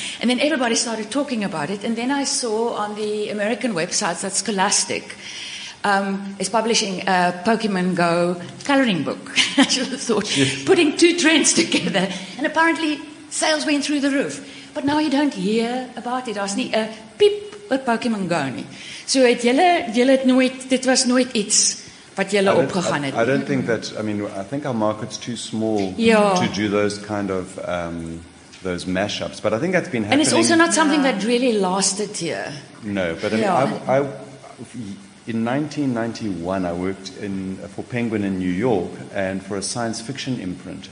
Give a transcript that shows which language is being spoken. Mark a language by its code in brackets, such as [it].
[en] And then everybody started talking about it, and then I saw on the American websites that Scholastic is publishing a Pokemon Go coloring book. I should have thought, putting two trends together, and apparently sales went through the roof. But now you don't hear about it. [af] Daar's nie 'n piep oor Pokemon Go nie. So het julle het nooit, dit was nooit iets wat julle opgegaan het. [en] I don't think that, I mean, I think our market's too small to do those kind of those mashups. But I think that's been happening. And it's also not something that really lasted here. No, but I mean, in 1991, I worked for Penguin in New York and for a science fiction imprint.